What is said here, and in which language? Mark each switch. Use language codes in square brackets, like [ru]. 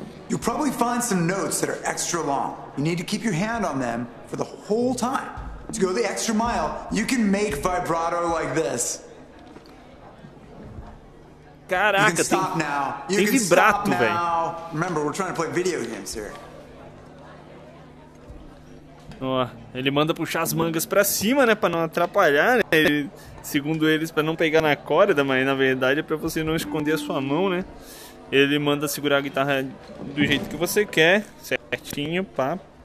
[en] You probably find some notes that are extra long. You need to keep your hand on them for the whole time. To go the extra mile, you can make vibrato like this. [pt] Caraca, tem vibrato, velho. [en] Remember, we're trying to play video games here. [pt] Ó, ele manda puxar as mangas pra cima, né, pra não atrapalhar, né, ele, segundo eles, pra não pegar na corda, mas na verdade é pra você não esconder a sua mão, né. Ele manda segurar a guitarra do jeito que você quer, certinho, pá.